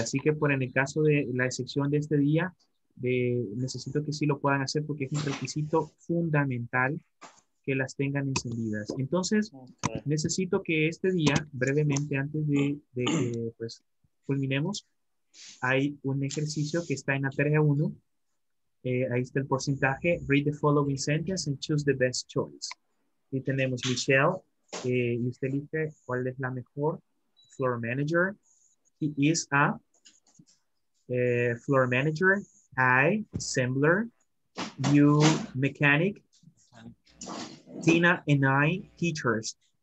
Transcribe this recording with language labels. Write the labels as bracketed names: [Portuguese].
[Spanish] Así que por en el caso de la excepción de este día, necesito que sí lo puedan hacer porque es un requisito fundamental que las tengan encendidas. Entonces, okay, necesito que este día, brevemente antes de que pues, culminemos, hay un ejercicio que está en la tarea 1. Ahí está el porcentaje. [English] Read the following sentence and choose the best choice. [Spanish] Y tenemos Michelle. Y usted dice cuál es la mejor floor manager. [English] He is a floor manager. I, assembler. You, mechanic. Tina and I, teachers.